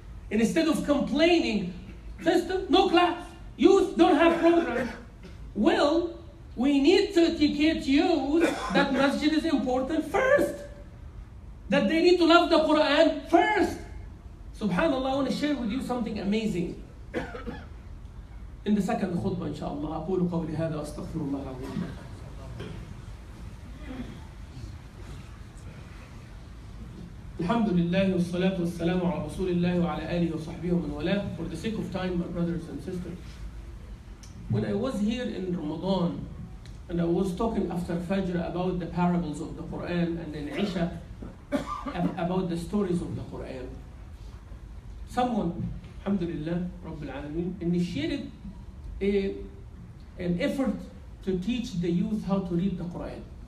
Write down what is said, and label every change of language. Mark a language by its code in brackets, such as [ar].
[en] And instead of complaining, sister, no class, youth don't have program. Well, we need to educate youth that masjid is important first, that they need to love the Quran first. SubhanAllah, I want to share with you something amazing. In the second khutbah, inshallah, [ar] أقول قولي هذا أستغفر الله العظيم. الحمد لله والصلاة والسلام على رسول الله وعلى آله وصحبه ومن والاه. [en] For the sake of time, my brothers and sisters, when I was here in Ramadan and I was talking after Fajr about the parables of the Quran, and in Isha about the stories of the Quran, someone, [ar] الحمد لله رب العالمين, [en] initiated an effort to teach the youth how to read the Quran.